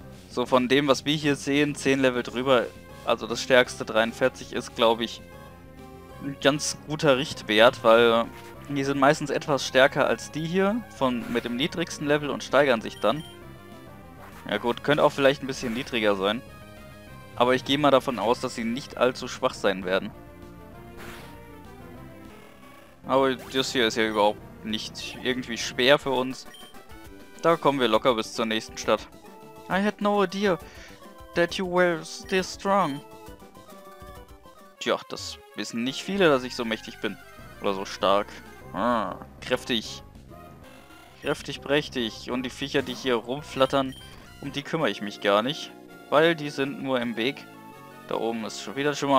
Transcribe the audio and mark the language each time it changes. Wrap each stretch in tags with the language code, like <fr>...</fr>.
<de>So von dem, was wir hier sehen, 10 Level drüber. Also das stärkste 43 ist, glaube ich, ein ganz guter Richtwert, weil die sind meistens etwas stärker als die hier mit dem niedrigsten Level und steigern sich dann. Ja gut, könnte auch vielleicht ein bisschen niedriger sein. Aber ich gehe mal davon aus, dass sie nicht allzu schwach sein werden. Aber das hier ist ja überhaupt nicht irgendwie schwer für uns. Da kommen wir locker bis zur nächsten Stadt.</de> <en>I had no idea that you were this strong.</en> <de>Tja, das wissen nicht viele, dass ich so mächtig bin. Oder so stark. Kräftig. Kräftig prächtig. Und die Viecher, die hier rumflattern, um die kümmere ich mich gar nicht. Weil die sind nur im Weg. Da oben ist schon wieder Schimmer.</de>